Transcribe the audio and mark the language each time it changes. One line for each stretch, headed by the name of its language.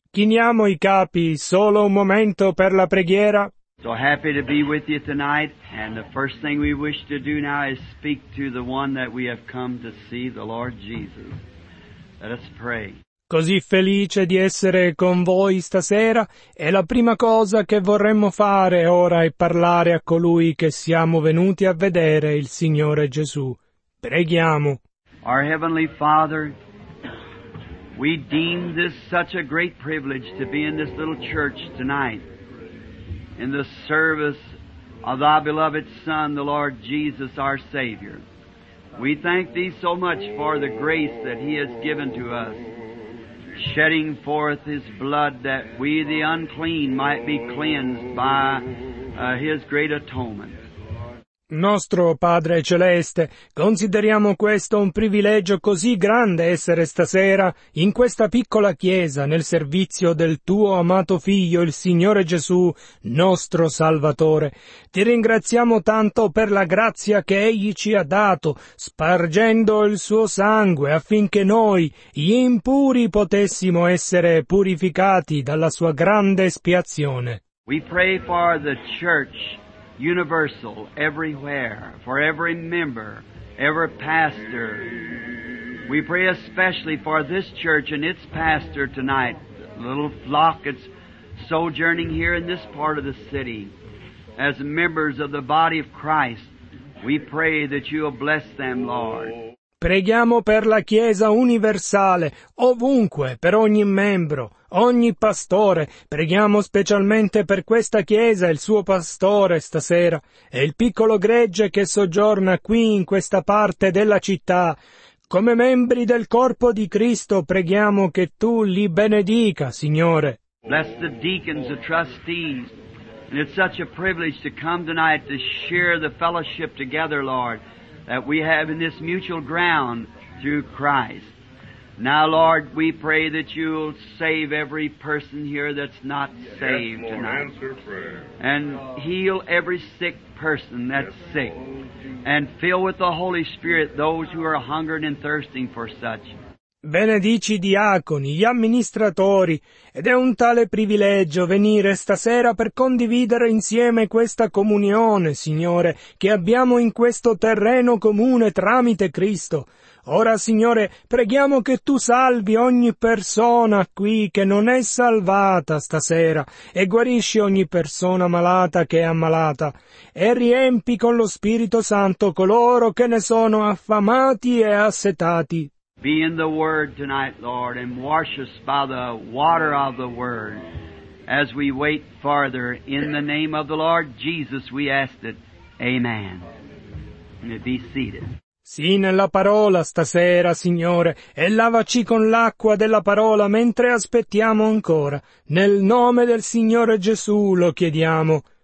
Italian: Chiniamo i capi, solo un momento per la preghiera.
English: So happy to be with you tonight, and the first thing we wish to do now is speak to the one that we have come to see, the Lord Jesus. Let us pray.
Italian: Così felice di essere con voi stasera, e la prima cosa che vorremmo fare ora è parlare a colui che siamo venuti a vedere, il Signore Gesù. Preghiamo.
English: Our Heavenly Father, we deem this such a great privilege to be in this little church tonight in the service of thy beloved Son, the Lord Jesus, our Savior. We thank thee so much for the grace that he has given to us, shedding forth his blood that we, the unclean, might be cleansed by his great atonement.
Italian: Nostro Padre Celeste, consideriamo questo un privilegio così grande essere stasera in questa piccola chiesa nel servizio del Tuo amato Figlio, il Signore Gesù, nostro Salvatore. Ti ringraziamo tanto per la grazia che Egli ci ha dato, spargendo il Suo sangue affinché noi, gli impuri, potessimo essere purificati dalla Sua grande espiazione.
English: We pray for the church. Universal, everywhere, for every member, every pastor. We pray especially for this church and its pastor tonight, the little flock that's sojourning here in this part of the city. As members of the body of Christ, we pray that you will bless them, Lord.
Italian: Preghiamo per la Chiesa universale, ovunque, per ogni membro, ogni pastore. Preghiamo specialmente per questa Chiesa e il suo pastore stasera, e il piccolo gregge che soggiorna qui in questa parte della città. Come membri del corpo di Cristo, preghiamo che tu li benedica, Signore.
English: Bless the deacons, the trustees, and it's such a privilege to come tonight to share the fellowship together, Lord, that we have in this mutual ground through Christ. Now, Lord, we pray that you'll save every person here that's not saved tonight. Yes, Lord, answer prayer. And heal every sick person that's yes, sick. Lord, and fill with the Holy Spirit those who are hungering and thirsting for such.
Italian: Benedici i diaconi, gli amministratori, ed è un tale privilegio venire stasera per condividere insieme questa comunione, Signore, che abbiamo in questo terreno comune tramite Cristo. Ora, Signore, preghiamo che Tu salvi ogni persona qui che non è salvata stasera, e guarisci ogni persona malata che è ammalata, e riempi con lo Spirito Santo coloro che ne sono affamati e assetati.
English: Be in the Word tonight, Lord, and wash us by the water of the Word. As we wait farther, in the name of the Lord Jesus, we ask it. Amen. And be seated.
Italian: Sì, nella parola stasera, Signore, e lavaci con l'acqua della parola mentre aspettiamo ancora. Nel nome del Signore Gesù lo chiediamo.